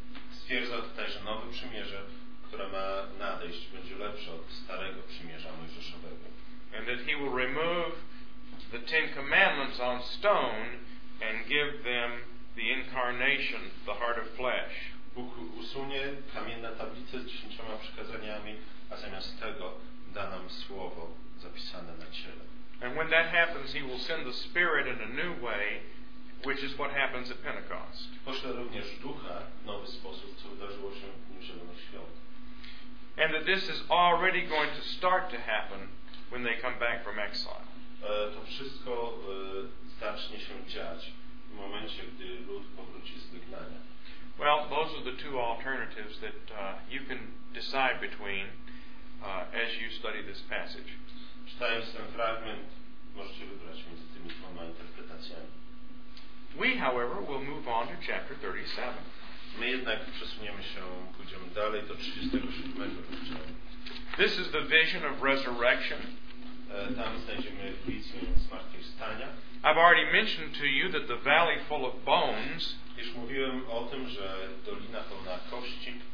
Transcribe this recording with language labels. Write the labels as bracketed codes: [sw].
[pl] Stwierdza tutaj, że nowe przymierze, które ma nadejść, będzie lepsze od starego przymierza mojżeszowego. [en] And that he will remove the Ten Commandments on stone and give them the incarnation, the heart of flesh. [pl] Bóg usunie kamienne tablice z dziesięcioma przykazaniami, a zamiast tego da nam słowo zapisane na ciele. [en] And when that happens, he will send the Spirit in a new way, which is what happens at Pentecost. [pl] Pośle również Ducha w nowy sposób, co wydarzyło się w dniu Zielonych Świąt. [en] And that this is already going to start to happen when they come back from exile. [pl] To wszystko zacznie się dziać w momencie, gdy lud powróci z wygnania. [en] Well, those are the two alternatives that you can decide between as you study this passage. [pl] Czytając ten fragment, możecie wybrać między tymi dwoma interpretacjami. [en] We, however, will move on to chapter 37. [pl] My jednak przesuniemy się, pójdziemy dalej do 37 rozdziału. [en] This is the vision of resurrection. [pl] Tam znajdziemy wizję zmartwychwstania. [en] I've already mentioned to you that the valley full of bones, [pl] już mówiłem o tym, że dolina pełna kości,